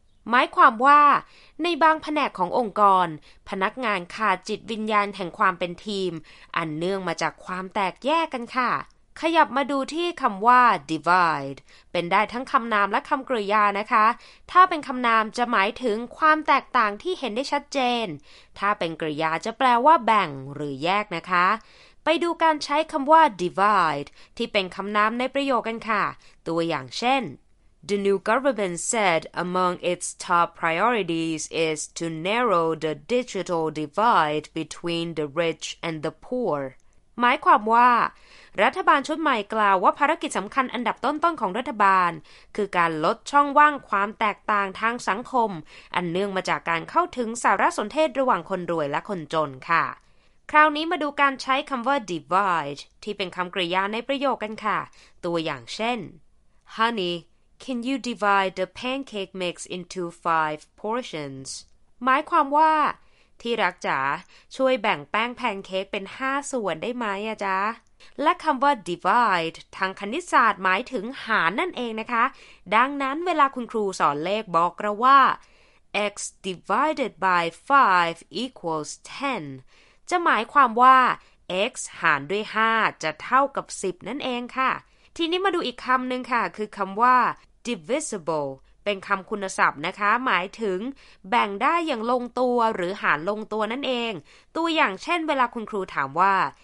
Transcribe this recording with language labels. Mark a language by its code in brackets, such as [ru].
[th] หมายความว่าในบางแผนกขององค์กรพนักงานขาดจิตวิญญาณแห่งความเป็นทีมอันเนื่องมาจากความแตกแยกกันค่ะขยับมาดูที่คำว่า divide เป็นได้ทั้งคำนามและคำกริยานะคะถ้าเป็นคำนามจะหมายถึงความแตกต่างที่เห็นได้ชัดเจนถ้าเป็นกริยาจะแปลว่าแบ่งหรือแยกนะคะไปดูการใช้คำว่า divide ที่เป็นคำนามในประโยคกันค่ะตัวอย่างเช่น [en] The new government said among its top priorities is to narrow the digital divide between the rich and the poor [th] หมายความว่ารัฐบาลชุดใหม่กล่าวว่าภารกิจสำคัญอันดับต้นๆของรัฐบาลคือการลดช่องว่างความแตกต่างทางสังคมอันเนื่องมาจากการเข้าถึงสารสนเทศระหว่างคนรวยและคนจนค่ะคราวนี้มาดูการใช้คำว่า divide ที่เป็นคำกริยาในประโยคกันค่ะตัวอย่างเช่น [en] Honey, can you divide the pancake mix into 5 portions? [th] หมายความว่าที่รักจ๋าช่วยแบ่งแป้งแพนเค้กเป็น5ส่วนได้ไหมอะจ๊ะและคำว่า divide ทางคณิตศาสตร์หมายถึงหารนั่นเองนะคะดังนั้นเวลาคุณครูสอนเลขบอกเราว่า [en] x divided by 5 equals 10 [th] จะหมายความว่า x หารด้วย5จะเท่ากับ10นั่นเองค่ะทีนี้มาดูอีกคำหนึ่งค่ะคือคำว่า divisible เป็นคำคุณศัพท์นะคะหมายถึงแบ่งได้อย่างลงตัวหรือหารลงตัวนั่นเองตัวอย่างเช่นเวลาคุณครูถามว่า